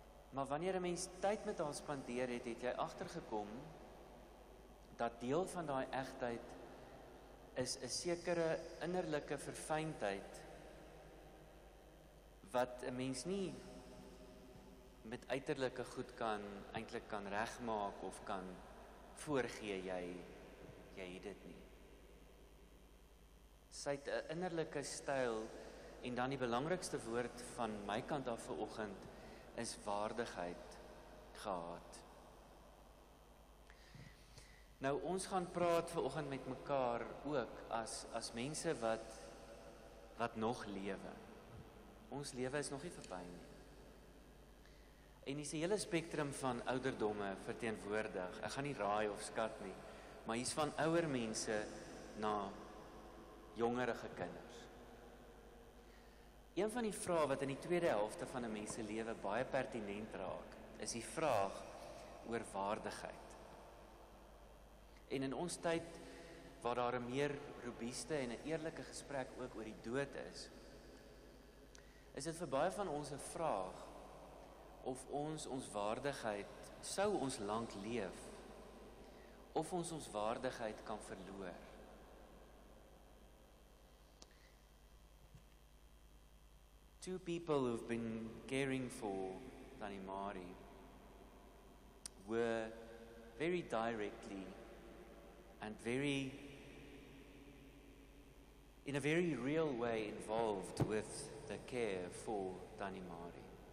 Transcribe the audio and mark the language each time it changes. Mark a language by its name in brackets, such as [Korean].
[Afrikaans] Maar wanneer 'n mens tyd met haar spandeer het, het jy agtergekom dat deel van daai egtheid is 'n sekere innerlike verfyndheid wat 'n mens nie met uiterlike goed kan eintlik kan regmaak of kan voorgee jy het dit nie. Sy het 'n innerlike styl en dan die belangrikste woord van my kant af vir oggend is waardigheid gehad. Nou ons gaan praat ver oggend met mekaar ook as mense wat nog lewe. Ons lewe is nog nie verby nie. En dis 'n hele spektrum van ouderdomme verteenwoordig. Ek gaan nie raai of skat nie, maar hier's van ouer mense na jongerige kinders. Een van die vrae wat in die tweede helfte van 'n mens se lewe baie pertinent raak, is die vraag oor waardigheid. En in ons tyd waar daar 'n meer robuuste en 'n eerlike gesprek ook oor die dood is, is dit vir baie van ons 'n vraag of ons waardigheid sou ons lank leef of ons waardigheid kan verloor. [English] Two people who've been caring for Tannie Marie were very directly and very in a very real way involved with the care for Tannie Marie.